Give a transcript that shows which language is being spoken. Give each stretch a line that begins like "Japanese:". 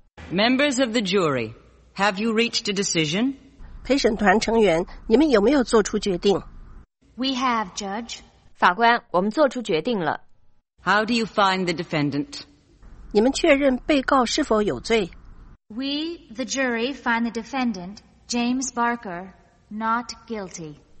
English: Members of the jury, have you reached a decision?
Chinese: 陪审团成员，你们有没有做出决定？
English: We have, Judge.
Chinese: 法官，我们做出决定了。
English: How do you find the defendant?
Chinese: 你们确认被告是否有罪？
English: We, the jury, find the defendant, James Barker, not guilty.